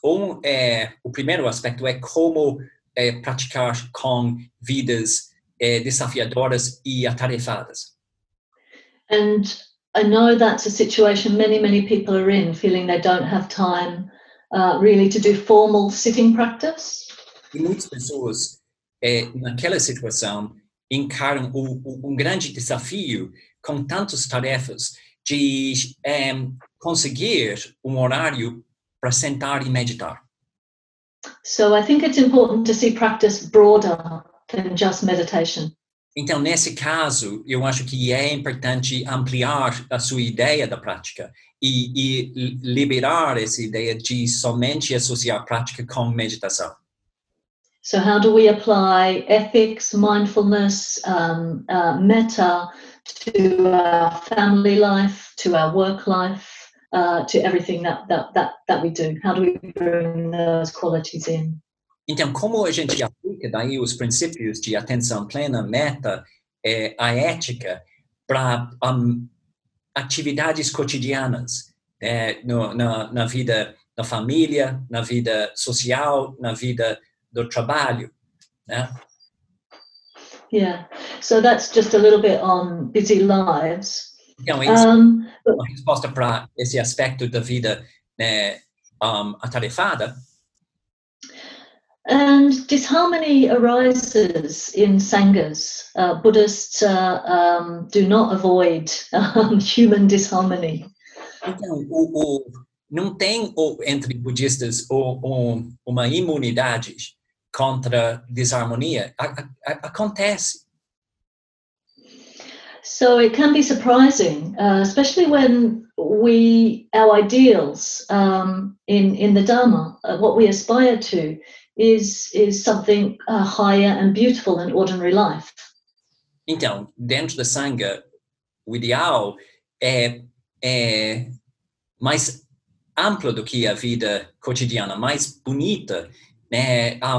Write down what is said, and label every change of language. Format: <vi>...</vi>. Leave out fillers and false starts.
<pt>O primeiro aspecto é como praticar com vidas desafiadoras e atarefadas.</pt> <en>And I know that's a situation many, many people are in, feeling they don't have time really to do formal sitting practice.</en> <pt>E muitas pessoas, naquela situação, encaram um grande desafio com tantas tarefas de conseguir horário para sentar e meditar.</pt> <en>So I think it's important to see practice broader than just meditation.</en> <pt>Então, nesse caso, eu acho que é importante ampliar a sua ideia da prática e liberar essa ideia de somente associar a prática com meditação.</pt> <en>So how do we apply ethics, mindfulness, metta to our family life, to our work life, to everything that we do? How do we bring those qualities in?</en> <pt>Então, como a gente aplica daí os princípios de atenção plena, meta, a ética, para atividades cotidianas, na vida da família, na vida social, na vida do trabalho, né?</pt> <en>Yeah, so that's just a little bit on busy lives.</en> <pt>Então, uma resposta para esse aspecto da vida atarefada.</pt> <en>And disharmony arises in sanghas. Buddhists do not avoid human disharmony.</en> <pt>Então, não tem entre budistas uma imunidade contra desarmonia. Acontece.</pt> <en>So it can be surprising, especially when we, our ideals in the Dharma, what we aspire to, is something higher and beautiful than ordinary life.</en> <pt>Então, dentro da Sangha, o ideal é mais amplo do que a vida cotidiana, mais bonita, né?</pt>